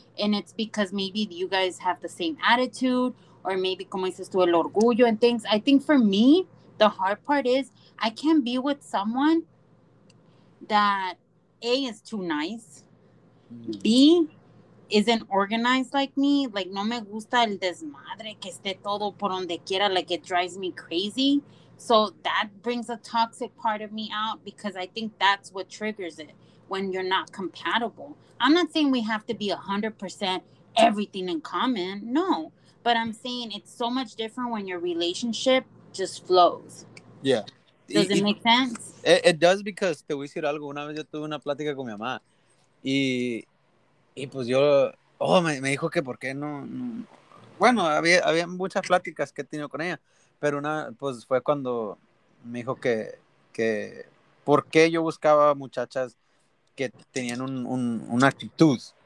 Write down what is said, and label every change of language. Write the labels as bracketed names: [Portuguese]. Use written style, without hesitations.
[English] And it's because maybe you guys have the same attitude, or maybe [Spanish] como dices tú, el orgullo [English] and things. I think for me, the hard part is I can't be with someone that A is too nice, B isn't organized like me. [Spanish] Like, no me gusta el desmadre que esté todo por donde quiera. [English] Like, it drives me crazy. So that brings a toxic part of me out because I think that's what triggers it when you're not compatible. I'm not saying we have to be 100% everything in common. No, but I'm saying it's so much different when your relationship just flows. Yeah. Does it make sense? It does, because [Spanish] te voy a decir algo. Una vez yo tuve una plática con mi mamá y pues yo, me dijo que por qué no. Bueno, había muchas pláticas que he tenido con ella, pero una, pues fue cuando me dijo que por qué yo buscaba muchachas que tenían una actitud.